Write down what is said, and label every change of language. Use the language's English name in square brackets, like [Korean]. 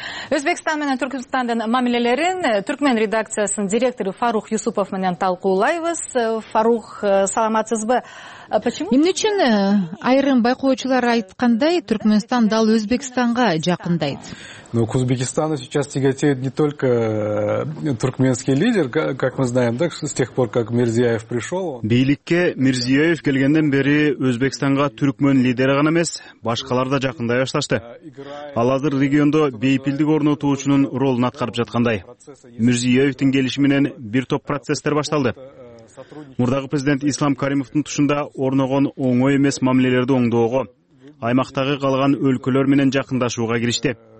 [Kyrgyz] Өзбекстан менен Түркмөнстандын мамилелерин Түркмөн редакциясынын директору Фарух Юсупов менен талкуулайбыз. Фарух, саламатсызбы? Эмне үчүн айрым байкоочулар айткандай Түркмөнстан дал Өзбекстанга жакындайт? [Russian] Ну, к Узбекистану сейчас тяготеет не только туркменский лидер, как мы знаем, да, с тех пор, как Мирзиёев пришел. [Kyrgyz] Бийликке Мирзиёев келгенден бери Өзбекстанга түркмөн лидери гана эмес, башкалар да жакындай башташты. Ал азыр региондо бейпилдик орнотуучунун ролун аткарып жаткандай. Мирзиёевдин келиши менен бир топ процесстер башталды. Мурдагы президент Ислам Каримовдун тушунда орногон оңой эмес мамилелерди оңдоого, аймактагы калган өлкөлөр менен жакындашууга киришти.